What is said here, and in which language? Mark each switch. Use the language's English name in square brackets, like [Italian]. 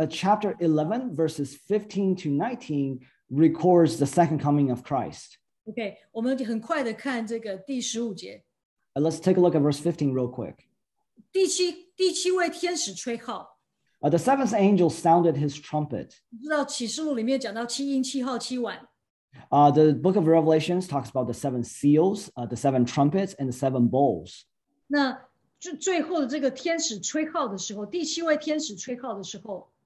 [English] chapter 11, verses 15 to 19 records the second coming of Christ. [Chinese] Okay, 我们很快的看这个第十五节。Let's [English] take a look at verse 15 real quick. [Chinese] 第七位天使吹号。The [English] seventh angel sounded his trumpet. [Chinese] 你知道启示录里面讲到七音七号七晚。 [English] The book of Revelations talks about the seven seals, the seven trumpets, and the seven bowls. [Chinese] 那最后的这个天使吹号的时候，第七位天使吹号的时候，